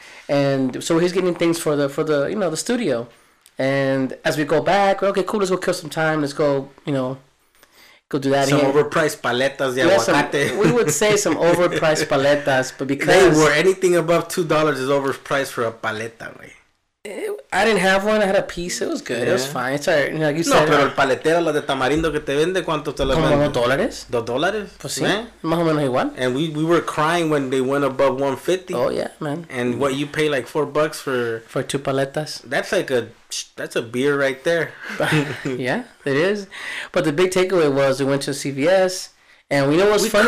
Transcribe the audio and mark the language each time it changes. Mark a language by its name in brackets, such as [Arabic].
[English] And so he's getting things for the you know, the studio. And as we go back, we're, okay, cool, let's go kill some time, let's go, you know... Go do that some here. Overpriced [Spanish] paletas de aguacate. [English] We would say some overpriced paletas, but because... They were anything above $2 is overpriced for a paleta, I didn't have one. I had a piece. It was good. Yeah. It was fine. It's all right. You know, like you said... [Spanish] No, pero el paletero, la de tamarindo que te vende, ¿cuánto te lo vende? $2? $2? Pues sí. Más o menos igual. [English] And we were crying when they went above $150. Oh, yeah, man. And what, you pay like $4 for... For two paletas. That's a beer right there. Yeah, it is. But the big takeaway was we went to CVS, and we know what's funny.